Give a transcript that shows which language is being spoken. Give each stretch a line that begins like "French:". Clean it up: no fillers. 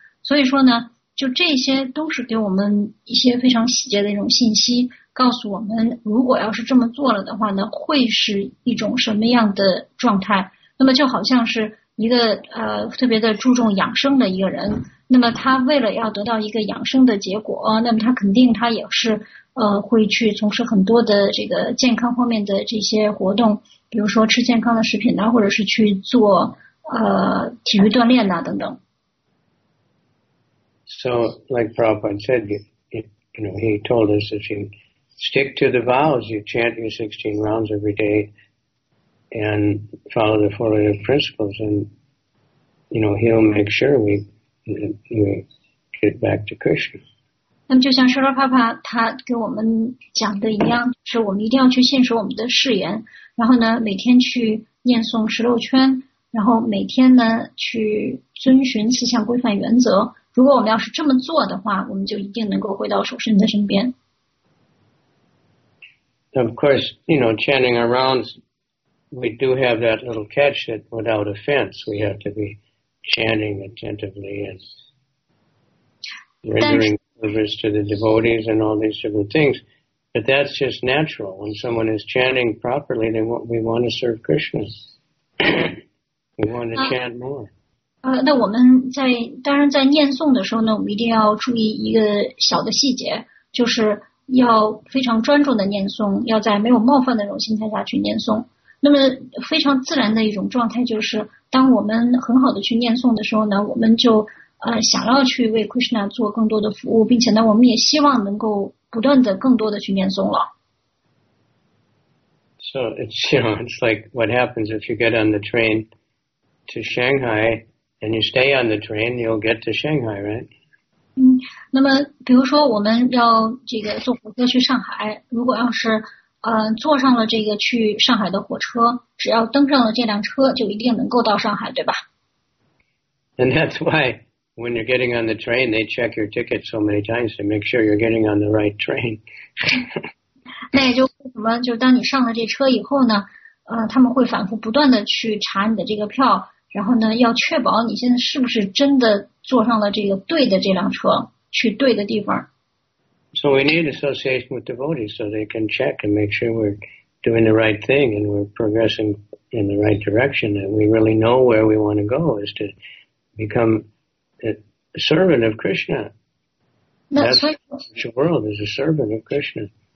Chinese: 所以说呢就这些都是给我们一些非常细节的一种信息，告诉我们如果要是这么做了的话呢会是一种什么样的状态，那么就好像是一个特别的注重养生的一个人，那么他为了要得到一个养生的结果，那么他肯定他也是会去从事很多的这个健康方面的这些活动，比如说吃健康的食品啊，或者是去做体育锻炼啊等等。
English: So like Prabhupada said, you know, he told us if you stick to the vows, you chant your 16 rounds every day. And follow the four leader principles, and you know he'll make sure we get back to Krishna.
Chinese: 那么就像舍勒帕帕他给我们讲的一样，是我们一定要去信守我们的誓言，然后呢每天去念诵十六圈，然后每天呢去遵循四项规范原则。如果我们要是这么做的话，我们就一定能够回到守圣的身边。
English: Of course, you know chanting around. We do have that little catch that without offense, we have to be chanting attentively and rendering service to the devotees and all these different things. But that's just natural. When someone is chanting properly, we want to serve Krishna. We want to chant more.
Chinese: 那我们在当然在念诵的时候呢，我们一定要注意一个小的细节，就是要非常专注的念诵，要在没有冒犯的那种心态下去念诵。那么非常自然的一种状态就是当我们很好的去念诵的时候呢我们就想要去为 Krishna 做更多的服务，并且呢我们也希望能够不断的更多的去念诵了。
English: So it's, you know, it's like what happens if you get on the train to Shanghai and you stay on the train you'll get to Shanghai, right?
Chinese: 那么比如说我们要这个坐火车去上海，如果要是坐上了这个去上海的火车，只要登上了这辆车，就一定能够到上海，对吧
English: ？And that's why when you're getting on the train, they check your ticket so many times to make sure you're getting on the right train.
Chinese: 那也就为什么，就当你上了这车以后呢，他们会反复不断的去查你的这个票，然后呢，要确保你现在是不是真的坐上了这个对的这辆车，去对的地方。
English: So we need association with devotees so they can check and make sure we're doing the right thing and we're progressing in the right direction and we really know where we want to go is to become a servant of Krishna. That's the world as a servant of Krishna.